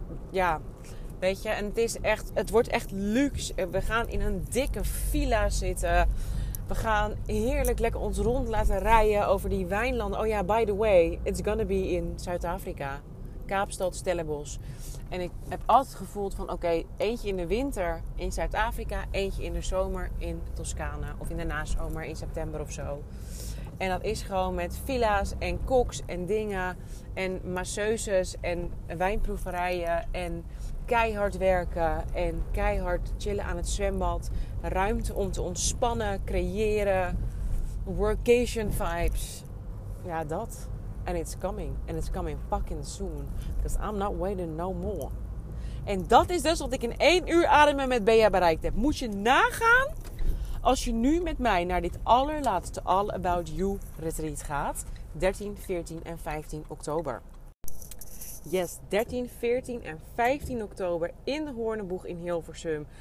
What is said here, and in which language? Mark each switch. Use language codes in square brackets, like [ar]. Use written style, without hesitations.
[nl] Ja, weet je. En het wordt echt luxe. We gaan in een dikke villa zitten. We gaan heerlijk lekker ons rond laten rijden over die wijnlanden. [en] Oh ja, by the way, it's gonna be in Zuid-Afrika. [nl] Kaapstad, Stellenbosch. En ik heb altijd gevoeld van, oké, eentje in de winter in Zuid-Afrika, eentje in de zomer in Toscane. Of in de nazomer in september of zo. En dat is gewoon met villa's en koks en dingen en masseuses en wijnproeverijen en keihard werken en keihard chillen aan het zwembad. Ruimte om te ontspannen, creëren, workation vibes. Ja, dat. [en] And it's coming. And it's coming fucking soon. Because I'm not waiting no more. [nl] En dat is dus wat ik in 1 uur ademen met Bea bereikt heb. Moet je nagaan als je nu met mij naar dit allerlaatste All About You retreat gaat. 13, 14 en 15 oktober. Yes, 13, 14 en 15 oktober in de Hoornenboeg in Hilversum.